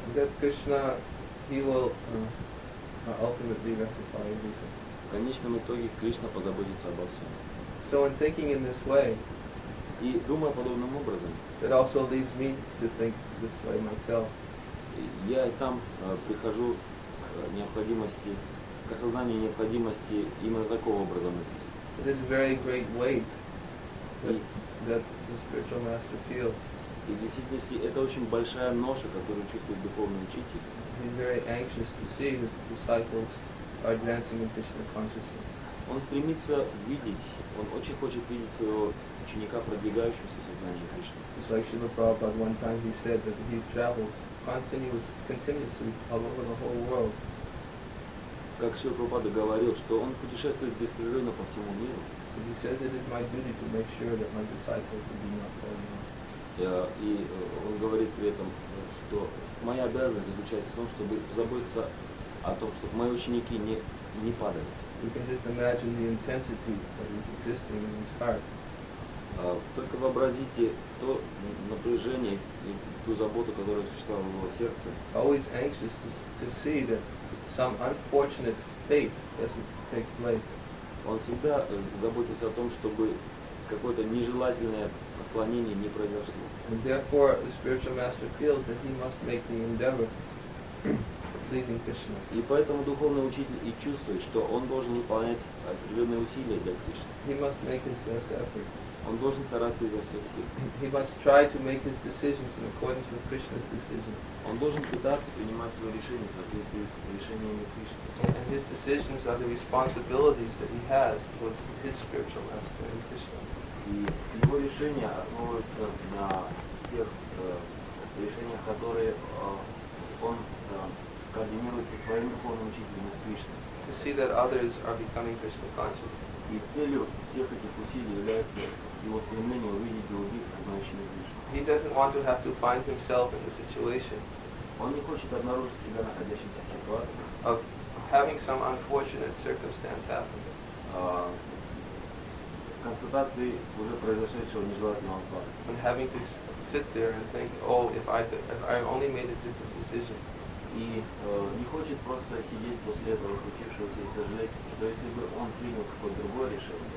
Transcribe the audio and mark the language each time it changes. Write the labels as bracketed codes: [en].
[en] that Krishna, he will ultimately rectify everything. [ru] В конечном итоге Кришна позаботится обо всем. [en] So in thinking in this way, [ru] и думая подобным образом, [en] it also leads me to think this way myself. [ru] Я сам прихожу к необходимости, к осознанию необходимости именно такого образа мысли. [en] It is a very great weight that the spiritual master feels. [ru] И в действительности это очень большая ноша, которую чувствует духовный учитель. [en] He's very anxious to see that the disciples are advancing in Krishna consciousness. [ru] Он стремится видеть, он очень хочет видеть своего ученика, продвигающегося в сознании Кришны. [en] It's like Srila Prabhupada one time he said that he travels continuously all over the whole world. [ru] Как Шрила Прабхупада говорил, что он путешествует беспрерывно по всему миру. [en] And he says it is my duty to make sure that my disciples do not fall down. [ru] И он говорит при этом, что моя обязанность заключается в том, чтобы заботиться о том, чтобы мои ученики не падали. [en] You can just imagine the intensity that is existing in his heart. [ru] Только вообразите то напряжение и ту заботу, которая существовала в его сердце. [en] Always anxious to see that some unfortunate fate doesn't take place. [ru] Он всегда заботится о том, чтобы какое-то нежелательное отклонение не произошло. [en] And therefore, the spiritual master feels that he must make the endeavor pleasing Krishna. [ru] И поэтому духовный учитель и чувствует, что он должен выполнять определенные усилия для Кришны. [en] He must make his best effort. [ru] Он должен стараться изо всех сил. [en] He must try to make his decisions in accordance with Krishna's decision. [ru] Он должен пытаться принимать свои решения в соответствии с решениями Кришны. [en] And his decisions are the responsibilities that he has towards his spiritual master and Krishna. [ru] И его решения основываются на тех решениях, которые он координирует со своим духовным учителем Кришной. [en] To see that others are becoming Krishna conscious. [ru] И целью всех этих усилий является его стремление увидеть других, знающих Кришну. [en] He doesn't want to have to find himself in the situation. [ru] Он не хочет обнаружить себя находящимся в ситуации. [en] Of having some unfortunate circumstance happen. [ru] Констатации уже произошедшего нежелательного факта. [en] And having to sit there and think, oh, if I only made a different decision. [ru] И не хочет просто сидеть после этого случившегося и сожалеть, что если бы он принял какое-то другое решение.